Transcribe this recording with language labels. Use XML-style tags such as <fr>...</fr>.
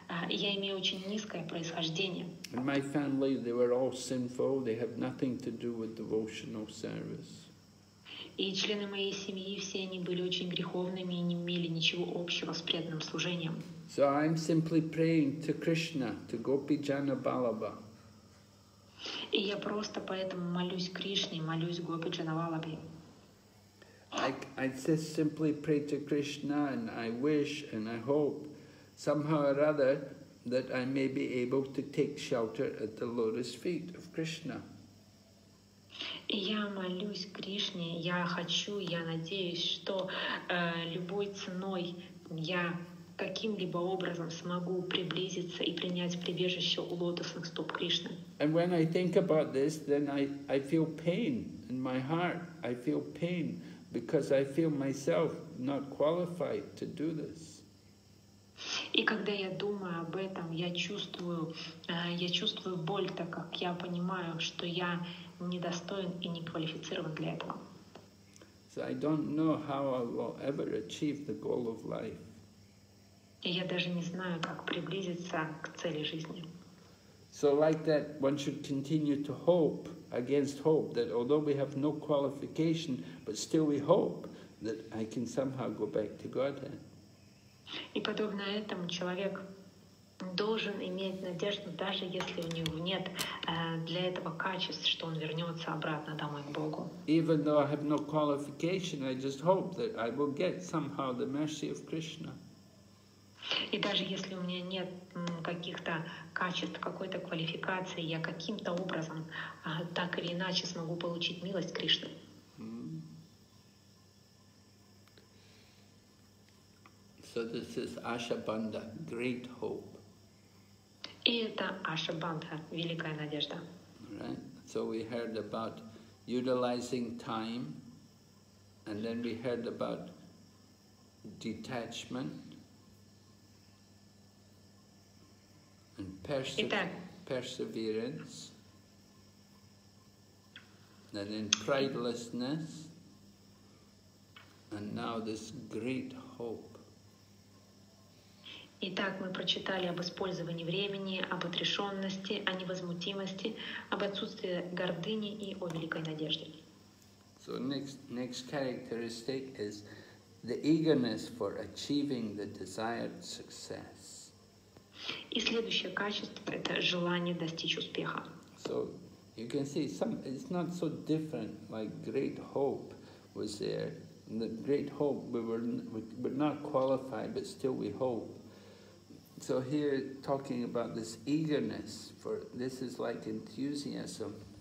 <ru>я имею очень низкое происхождение.</ru> <en>In my family, they were all sinful, they have nothing to do with devotional service.</en> <ru>И члены моей семьи, все они были очень греховными и не имели ничего общего с преданным служением.</ru> <en>So I'm simply praying to Krishna, to Gopi Jana Balaba.</en> <ru>И я просто поэтому молюсь Кришне, молюсь Гопи Джана Валабе.</ru> <en>I just simply pray to Krishna, and I wish and I hope somehow or other that I may be able to take shelter at the lotus feet of Krishna.</en> <ru>И я молюсь Кришне, я хочу, я надеюсь, что любой ценой я каким-либо образом смогу приблизиться и принять прибежище у лотосных стоп Кришны.</ru> <en>And when I think about this, then I feel pain in my heart. I feel pain because I feel myself not qualified to do this.</en> <ru>И когда я думаю об этом, я чувствую боль, так как я понимаю, что я недостоин и не квалифицирован для этого.</ru> <en>So I don't know how I will ever achieve the goal of life.</en> <ru>И я даже не знаю, как приблизиться к цели жизни.</ru> <en>So like that, one should continue to hope against hope, that although we have no qualification, but still we hope that I can somehow go back to Godhead.</en> <ru>И подобно этому человек должен иметь надежду, даже если у него нет для этого качеств, что он вернется обратно домой к Богу.</ru> <en>Even though I have no qualification, I just hope that I will get somehow the mercy of Krishna.</en> <ru>И даже если у меня нет каких-то качеств, какой-то квалификации, я каким-то образом так или иначе смогу получить милость Кришны.</ru> <en>So this is Ashabandha, great hope.</en> <ru>И это Ашабандха, великая надежда.</ru> <en>Right. So we heard about utilizing time, and then we heard about detachment. And perseverance, and then pridelessness, and now this great hope.</en> <ru>Итак, мы прочитали об использовании времени, об отрешенности, о невозмутимости, об отсутствии гордыни и о великой надежде.</ru> <en>So next characteristic is the eagerness for achieving the desired success.</en> <ru>И следующее качество – это желание достичь успеха.</ru> <en>So, you can see, it's not so different, like great hope was there. The great hope, we're not qualified, but still we hope. So here, talking about this eagerness, for this is like enthusiasm.</en>